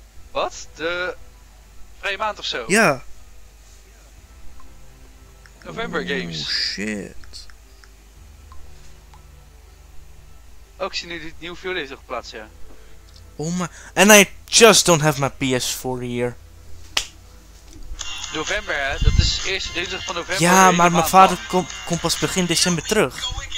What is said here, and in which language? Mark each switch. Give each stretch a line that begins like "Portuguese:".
Dutch: Wat? De... Vrije maand of zo? Ja.
English: November Games. Oh shit.
Dutch: Oh, ik zie nu dit nieuwe video op plaats, ja.
English: Oh my... And I just don't have my PS4 here.
Dutch: November, hè? Dat is de eerste dinsdag van november. Ja, maar mijn vader komt pas begin december terug.